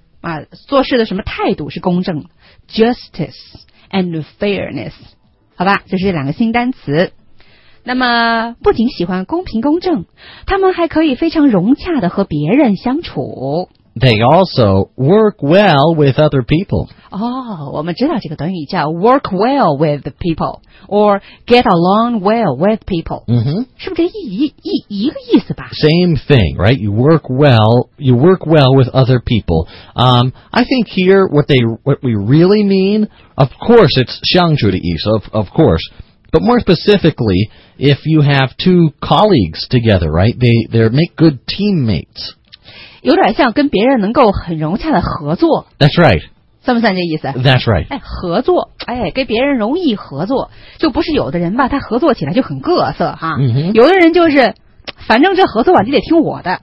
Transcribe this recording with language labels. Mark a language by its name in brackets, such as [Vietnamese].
[Chinese] 啊、做事的什么态度是公正 ? [English] Justice and fairness. [Chinese] 好吧，就是这两个新单词。那么不仅喜欢公平公正，他们还可以非常融洽的和别人相处。 [English] They also work well with other people. [Chinese] 哦，我们知道这个短语叫 [English] work well with people, [Chinese] or get along well with people. 嗯哼，是不是一个意思吧？ [English] Same thing, right? You work well with other people. I think here what we really mean, of course it's [Chinese] 相处的意思, [English] of course. But more specifically, if you have two colleagues together, right? They make good teammates. [Chinese] 有点像跟别人能够很融洽的合作。 [English] That's right. [Chinese] 算不算这意思？ [English] That's right. [Chinese] 哎，合作，哎，跟别人容易合作，就不是有的人吧，他合作起来就很各色哈。嗯哼。有的人就是，反正这合作吧，你得听我的。